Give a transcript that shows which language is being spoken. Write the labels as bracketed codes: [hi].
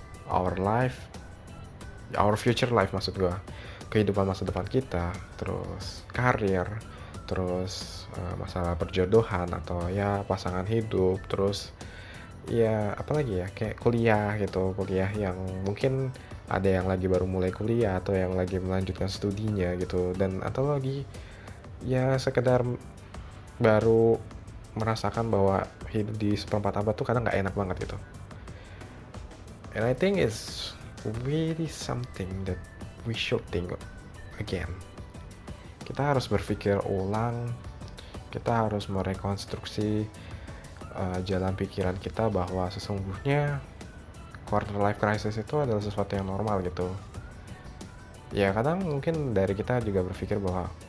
[en] Our life, our future life [id] maksud gue, kehidupan masa depan kita, terus karir, terus masalah perjodohan atau ya pasangan hidup, terus ya apalagi ya kayak kuliah gitu, kuliah yang mungkin ada yang lagi baru mulai kuliah atau yang lagi melanjutkan studinya gitu, dan atau lagi ya sekedar baru merasakan bahwa hidup di seperempat abad tuh kadang gak enak banget gitu. [en] And I think it's really something that we should think again. [id] Kita harus berpikir ulang, kita harus merekonstruksi jalan pikiran kita bahwa sesungguhnya quarter life crisis itu adalah sesuatu yang normal gitu. Ya kadang mungkin dari kita juga berpikir bahwa